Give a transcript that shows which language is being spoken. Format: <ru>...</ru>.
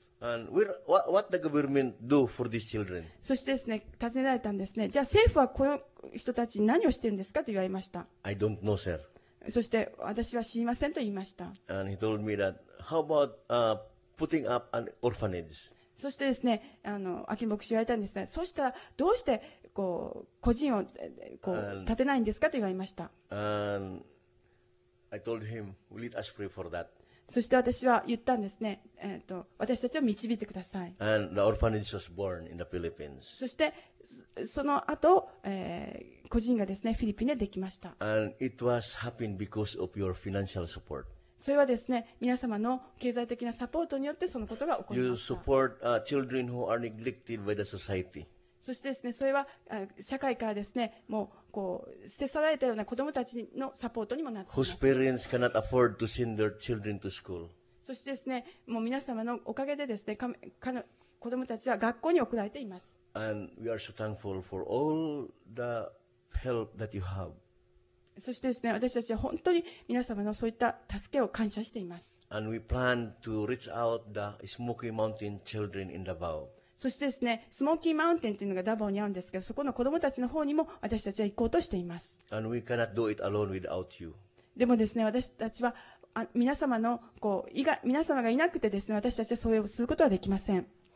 <en>And what the government do for these children?</en> <ja>そしてですね、尋ねられたんですね。じゃあ政府はこの人たちに何をしてるんですかと言われました。</ja> <en>I don't know, sir.</en> <ja>そして私は知りませんと言いました。</ja> <en>And he told me that how about putting up an orphanage?</en> <ja>そしてですね、秋元牧師言われたんですね。そしたらどうしてこう個人をこう建てないんですかと言われました。</ja> <en>I told him, "Lead us pray for that."</en> <ja>そして私は言ったんですね。私たちを導いてください。</ja> <en>And the orphanage was born in the Philippines.</en> <ja>そしてその後、個人がですね、フィリピンでできました。</ja> <en>And it was happened because of your financial support.</en> <ja>それはですね、皆様の経済的なサポートによってそのことが起こりました。</ja> <en>You support children who are neglected by the society.</en> <ja>そしてですね、それは社会からですね、もうこう捨て去られたような子どもたちのサポートにもなっています。</ja> <en>Whose parents cannot afford to send their children to school.</en> <ja>そしてですね、もう皆様のおかげでですね、子どもたちは学校に送られています。</ja> <en>And we are so thankful for all the help that you have.</en> <ja>そしてですね、私たちは本当に皆様のそういった助けを感謝しています。</ja> <en>And we plan to reach out the Smoky Mountain children in Davao.</en> <ja>そしてですね、スモーキーマウンテンというのがダバオにあるんですけど、そこの子どもたちの方にも私たちは行こうとしています。</ja> <en>And we cannot do it alone without you.</en> <ja>でもですね、私たちは皆様のこう皆様がいなくてですね、私たちはそれをすることはできません。</ja>